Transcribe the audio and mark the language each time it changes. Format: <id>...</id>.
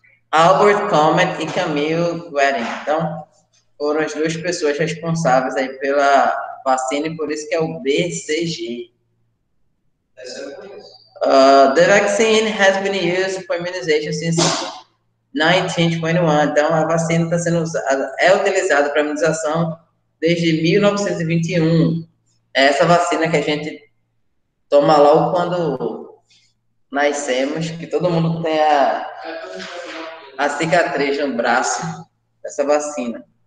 <pt>Albert Comet e Camille Wedding. Então, foram as duas pessoas responsáveis aí pela vacina e por isso que é o BCG.</pt> <en>The vaccine has been used for immunization since 1921.</en> <pt>Então, a vacina está sendo usada, é utilizada para imunização desde 1921. É essa vacina que a gente toma logo quando nascemos, que todo mundo tem a cicatriz no braço, essa vacina.</pt>